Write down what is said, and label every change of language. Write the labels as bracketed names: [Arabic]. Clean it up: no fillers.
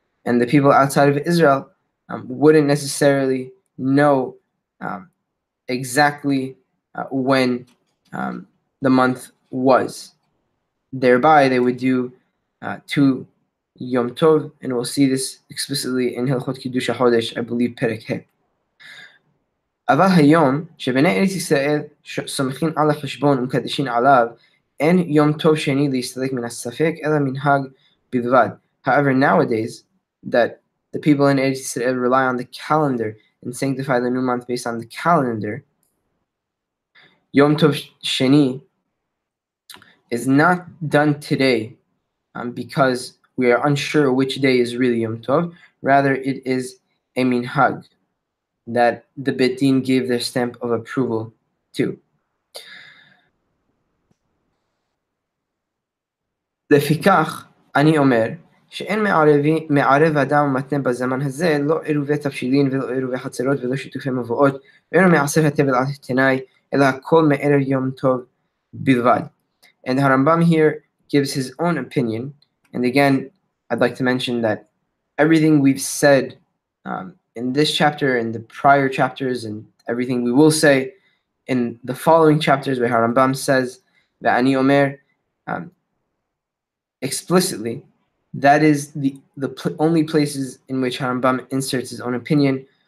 [English] And the people outside of Israel wouldn't necessarily know exactly when the month was. Thereby, they would do two Yom Tov. And we'll see this explicitly in Hilchot Kiddush HaChodesh, I believe, Perek He. [Hebrew] אבל היום שבני ארץ ישראל סומכים על החשבון ומקדשים עליו, אין יום טוב שני להסתלק מן הספק, אלא מנהג בלבד. [English] However, nowadays, that the people in ארץ ישראל rely on the calendar and sanctify the new month based on the calendar, יום טוב שני is not done today because we are unsure which day is really יום טוב. Rather, it is a מנהג that the Beit Din gave their stamp of approval to. [Hebrew] לפיכך אני אומר שאין מערב אדם ומתנה בזמן הזה לא עירובי תבשילין ולא עירובי חצרות ולא שיתופי מבואות ואין מעשר הטבל על התנאי אלא הכל מערב יום טוב בלבד. [English] And הרמב״ם here gives his own opinion, and again I'd like to mention that everything we've said in this chapter and the prior chapters and everything we will say in the following chapters where Harambam says that Ani Omer explicitly, that is the only places in which Harambam inserts his own opinion.